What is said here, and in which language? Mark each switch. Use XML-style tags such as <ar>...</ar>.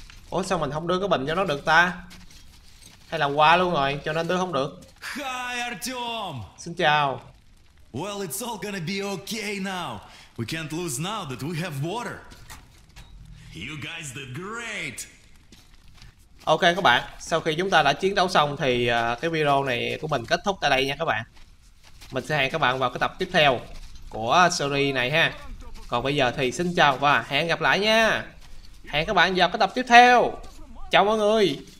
<vi>Ủa sao mình không đưa cái bình cho nó được ta? Hay là qua luôn rồi cho nên đưa không được?</vi> <en>Hi Artem.</en> <vi>Xin chào.</vi> <en>Well, it's all gonna be okay now. We can't lose now that we have water. You guys did great.</en> <vi>Ok các bạn, sau khi chúng ta đã chiến đấu xong thì cái video này của mình kết thúc tại đây nha các bạn. Mình sẽ hẹn các bạn vào cái tập tiếp theo của series này ha. Còn bây giờ thì xin chào và hẹn gặp lại nha. Hẹn các bạn vào cái tập tiếp theo. Chào mọi người.</vi>